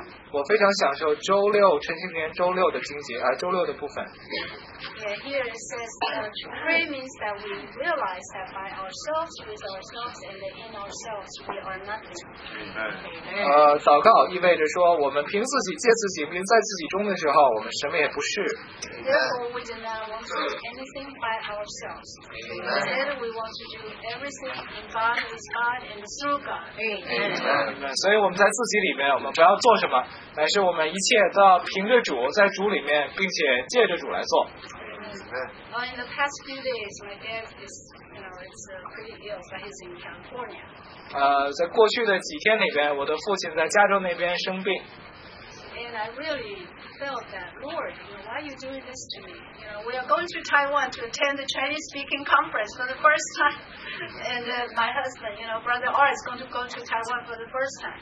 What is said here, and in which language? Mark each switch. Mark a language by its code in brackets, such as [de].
[zh] 我非常享受周六晨星篇周六的经节周六的部分。 [en] Yeah, here it says to pray means that we realize that by ourselves, with ourselves, and in ourselves, we are nothing. [zh] 祷告意味着说我们凭自己借自己并在自己中的时候，我们什么也不是。 [en] Therefore, we do not want to do anything by ourselves. Instead, we want to do everything in God, with God, and through God. Amen. [zh] 所以我们在自己里面，我们不要做什么。乃是我们一切都要凭着主，在主里面，并且借着主来做。 [en] In the past few days, my dad is, you know, it's pretty ill, but he's in California. [zh] 在过去的几天里边，我的父亲在加州那边生病。 [en] And I really felt that, Lord, you know, why are you doing this to me? You know, we are going to Taiwan to attend the Chinese-speaking conference for the first time, and my husband, you know, Brother R is going to go to Taiwan for the first time.